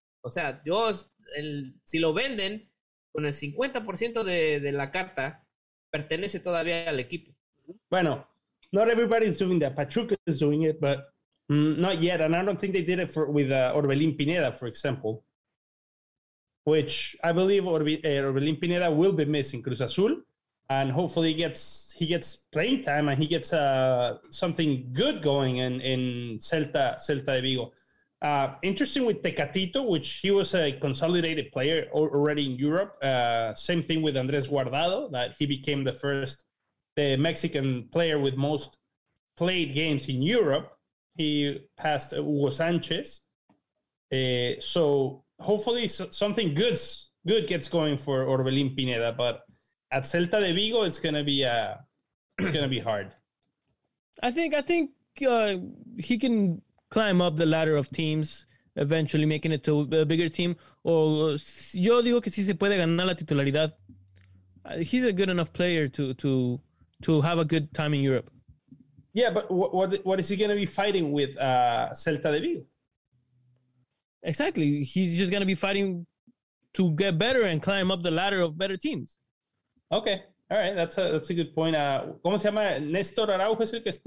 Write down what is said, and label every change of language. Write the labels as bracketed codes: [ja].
[es] O sea, si lo venden con el 50% de la carta, pertenece todavía al equipo. [en] Bueno, not everybody's doing that. Pachuca is doing it, but Not yet, and I don't think they did it for with Orbelín Pineda, for example, which I believe Orbelín Pineda will be missing Cruz Azul, and hopefully he gets playing time and he gets something good going in Celta de Vigo. Interesting with Tecatito, which he was a consolidated player already in Europe. Same thing with Andrés Guardado, that he became the Mexican player with most played games in Europe. He passed Hugo Sanchez. So hopefully something good gets going for Orbelín Pineda. But at Celta de Vigo, it's going to be hard. I think he can climb up the ladder of teams, eventually making it to a bigger team. [es] Yo digo que sí se puede ganar la titularidad. [en] He's a good enough player to have a good time in Europe. Yeah, but what is he going to be fighting with Celta de Vigo? Exactly. He's just going to be fighting to get better and climb up the ladder of better teams. Okay. All right. That's a good point. [es] ¿Cómo se llama? ¿Néstor Araujo es el que está?